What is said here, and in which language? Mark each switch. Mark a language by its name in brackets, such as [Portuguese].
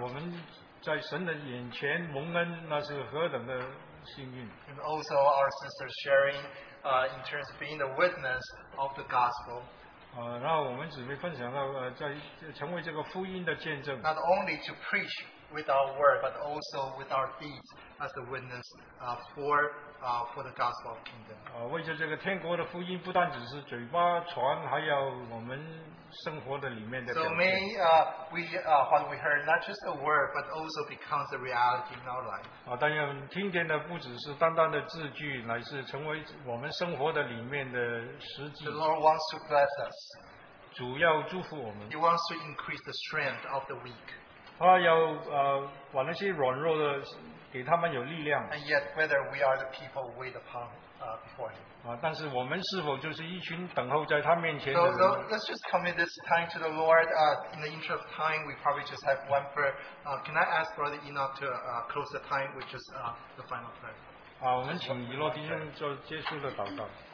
[Chinese] 我们在神的眼前蒙恩, 那是何等的幸运。 [English] And also our sisters sharing in terms of being the witness of the gospel. [Chinese] 然后我们只会分享到成为这个福音的见证。 [English] Not only to preach with our word, but also with our deeds as the witness for the gospel of kingdom. [Chinese] 为着这个天国的福音不但只是嘴巴传, 还有我们生活的里面的表现。 [English] So may what we heard, not just the word, but also becomes a reality in our life. [Chinese] 但愿听见的不只是单单的字句, 乃是成为我们生活的里面的实际。 [English] The Lord wants to bless us. [Chinese] 主要祝福我们。 [English] He wants to increase the strength of the weak. [Chinese] 他要把那些软弱的, 给他们有力量。 [English] And yet, whether we are the people who wait upon before Him. [Chinese] 但是我们是否就是一群等候在他面前的人。 [English] So let's just commit this time to the Lord. In the interest of time, we probably just have one prayer. Can I ask Brother Enoch to close the time, which is the final prayer? [Chinese] 我们请以诺弟兄做结束的祷告。